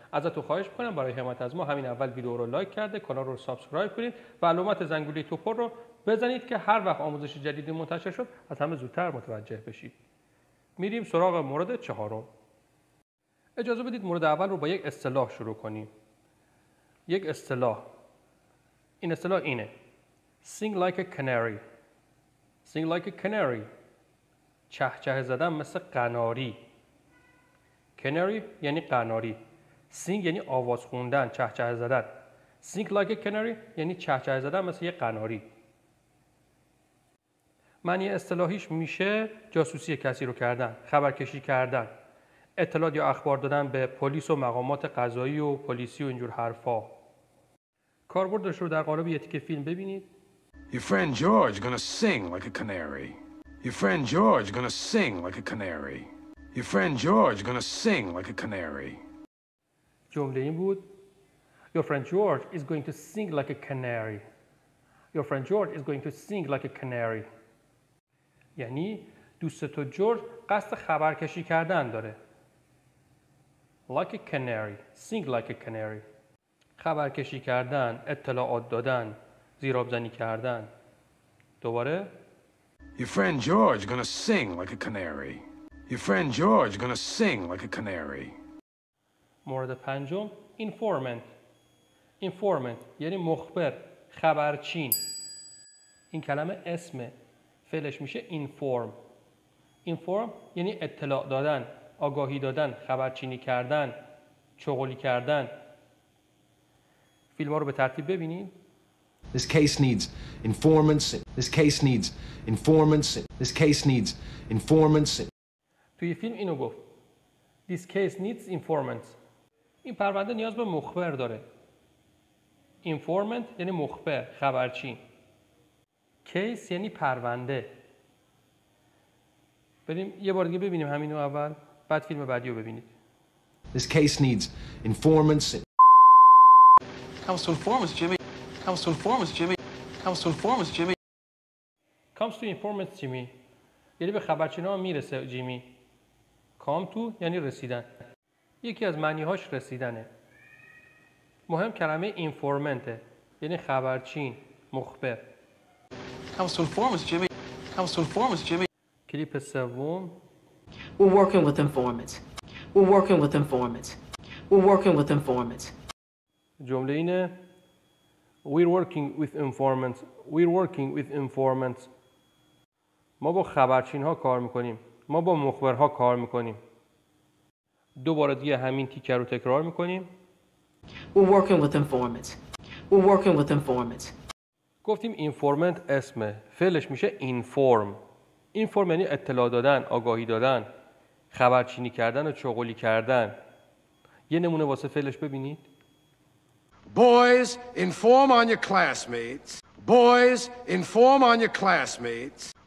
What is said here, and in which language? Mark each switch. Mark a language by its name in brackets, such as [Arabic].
[Persian] ازتون خواهش می‌کنم برای حمایت از ما همین اول ویدیو رو لایک کرده، کانال رو سابسکرایب کنید و علامت زنگوله توپر رو بزنید که هر وقت آموزش جدیدی منتشر شد از همه زودتر متوجه بشید. میریم سراغ مورد چهارم. اجازه بدید مورد اول رو با یک اصطلاح شروع کنیم. یک اصطلاح. این اصطلاح اینه: [English] Sing like a canary. Sing like a canary. [Persian] چهچه زدن مثل قناری. کناری یعنی قناری. سینگ یعنی آواز خوندن، چهچه زدن. سینگ لایک کناری یعنی چهچه زدن مثل یه قناری. معنی اصطلاحیش میشه جاسوسی کسی رو کردن، خبرکشی کردن، اطلاعات یا اخبار دادن به پلیس و مقامات قضایی و پلیسی و اینجور حرفا. کاربردش رو در قالب یه تیک فیلم ببینید. [English] Your friend George gonna sing like a canary. Your friend George gonna sing like a canary. Your friend George gonna sing like a canary. [Persian] جمله این بود. [English] Your friend George is going to sing like a canary. Your friend George is going to sing like a canary. [Persian] یعنی دوست تو جورج قصد خبرکشی کردن داره. [English] Like a canary, sing like a canary. [Persian] خبرکشی کردن، اطلاعات دادن، زیرابزنی کردن. دوباره [English] Your friend George gonna sing like a canary. Your friend George gonna sing like a canary. [Persian] مورد پنجم، informant. Informant یعنی مخبر، خبرچین. این کلمه اسمه، فعلش میشه inform. Inform یعنی اطلاع دادن، آگاهی دادن، خبرچینی کردن، چغلی کردن. فیلم‌ها رو به ترتیب ببینید. [English] This case needs informants. This case needs informants. This case needs informants. [Persian] توی فیلم اینو گفت. [English] This case needs informants. [Persian] این پرونده نیاز به مخبر داره. Informant یعنی مخبر، خبرچین. Case یعنی پرونده. بریم یه بار دیگه ببینیم همینو اول، بعد فیلم بعدی رو ببینید. [English] This case needs informants. Comes to informants, Jimmy. Comes to inform us, Jimmy. Comes to inform us, Jimmy. Comes to inform us, Jimmy. [Persian] یعنی به خبرچینا میرسه جیمی. Come to یعنی رسیدن. یکی از معنیهاش رسیدنه. مهم کلمه informantه. یعنی خبرچین، مخبر. [English] Comes to inform us, Jimmy. Comes to inform us, Jimmy. [Persian] کلیپ سوم. [English] We're working with informants. We're working with informants. We're working with informants. [Persian] جمله اینه. [English] We're working with informants. We're working with informants. [Persian] ما با خبرچین ها کار میکنیم. ما با مخبرها کار میکنیم. دوباره دیگه همین تیکر رو تکرار میکنیم. [English] We're working with informants. We're working with informants. [Persian] گفتیم informant اسمه. فعلش میشه inform. Inform یعنی اطلاع دادن، آگاهی دادن، خبرچینی کردن و چغلی کردن. یه نمونه واسه فعلش ببینید. [English] Boys, inform on your classmates. Boys, inform on your classmates.